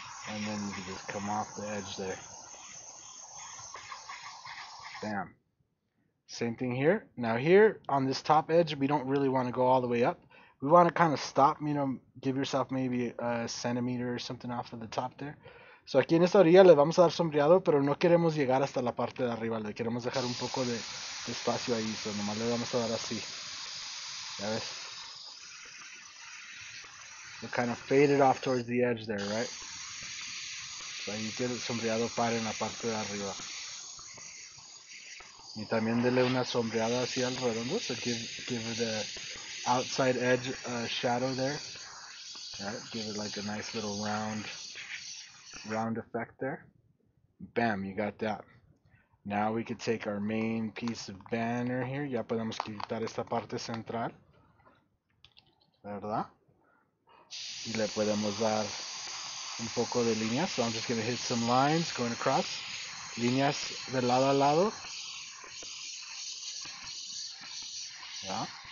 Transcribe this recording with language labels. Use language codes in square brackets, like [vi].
[en] And then you can just come off the edge there. Bam. Same thing here. Now here on this top edge, we don't really want to go all the way up. We want to kind of stop, you know, give yourself maybe a centimeter or something off of the top there. [es] So aquí en esta orilla le vamos a dar sombreado, pero no queremos llegar hasta la parte de arriba. Le queremos dejar un poco de espacio ahí. So nomás le vamos a dar así. Ya ves. [en] We kind of fade it off towards the edge there, right? [es] So ahí tiene el sombreado par en la parte de arriba. Y también dele una sombreada así al redondo. [en] So give the outside edge a shadow there. Right? Give it like a nice little round effect there. Bam, you got that. Now we could take our main piece of banner here. [es] Ya podemos quitar esta parte central. ¿Verdad? Y le podemos dar un poco de líneas. [en] So I'm just going to hit some lines going across. [es] Líneas de lado a lado. [en] Yeah.